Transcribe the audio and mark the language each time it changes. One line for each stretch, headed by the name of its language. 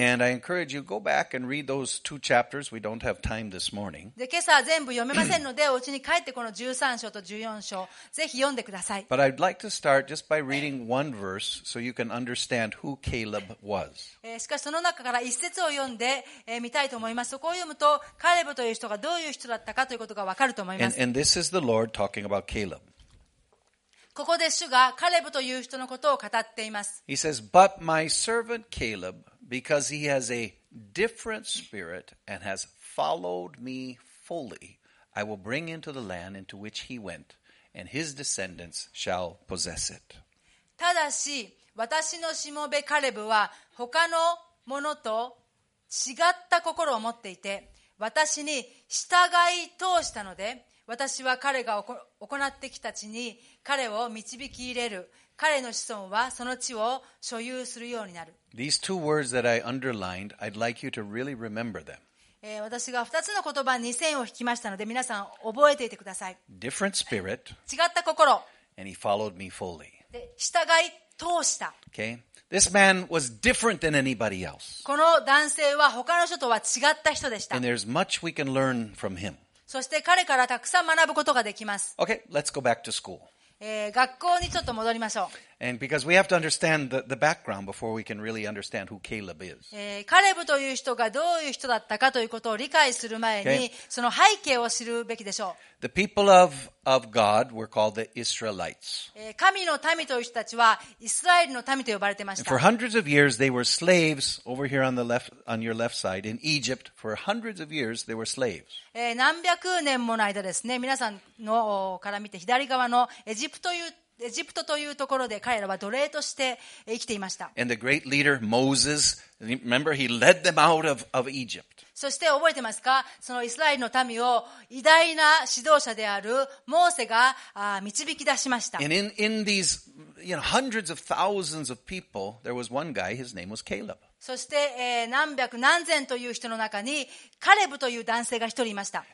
English: And I encourage you, go back and read those two chapters. We don't have time this morning.
Japanese: で今朝は全部読めませんのでお家に帰ってこの13章と14章ぜひ読んでください。
English: But I'd like to start just by reading one verse so you can understand who Caleb was.
Japanese: しかしその中から一節を読んで見たいと思います。そこを読むとカレブという人がどういう人だったかということがわかると思います。
English: And this is the Lord talking about Caleb.
Japanese: ここで主がカレブという人のことを語っています。
English: He says, "But my servant Caleb, because he has a different spirit and has followed me fully, I will bring into the land into which he went, and his descendants shall possess it."
Japanese: ただし、私のしもべカレブは他の者と違った心を持っていて、私に従い通したので、私は彼が行ってきた地に彼を導き入れる。彼の子孫はその地を所有するようになる。
English: These two words that I underlined, I'd like you to really remember them.
Japanese: 私が2つの言葉に線を引きましたので皆さん覚えていてください。
English: Different spirit.
Japanese: 違った心。
English: And he followed me fully.
Japanese: で、従い通した。
English: Okay? This man was different than anybody else.
Japanese: この男性は他の人とは違った人でした。
English: And there's much we can learn from him.
Japanese: そして彼からたくさん学ぶことができます。
English: Okay, let's go back to school.
Japanese: 学校にちょっと戻りましょう。
English: And because we have to understand the background before we can really understand who Caleb is.
Japanese: カレブという人がどういう人だったかということを理解する前に、okay. その背景を知るべきでしょう。
English: The people of God were called the Israelites.
Japanese: 神の民という人たちはイスラエルの民と呼ばれてました。
English: And for hundreds of years, they were slaves over here on the left, on your left side in Egypt. For hundreds of years, they were slaves.
Japanese: 何百年もの間ですね、皆さんのから見て左側のエジプトというところで彼らは奴隷として生きていました。
English: And the great leader, Moses, remember he led them out of Egypt.
Japanese: そして覚えてますか？そのイスラエルの民を偉大な指導者であるモーセが導き出しました。
English: And in these, you know, hundreds of thousands of people, there was one guy, his name was Caleb.
Japanese: そして何百何千という人の中にカレブという男性が一人いました。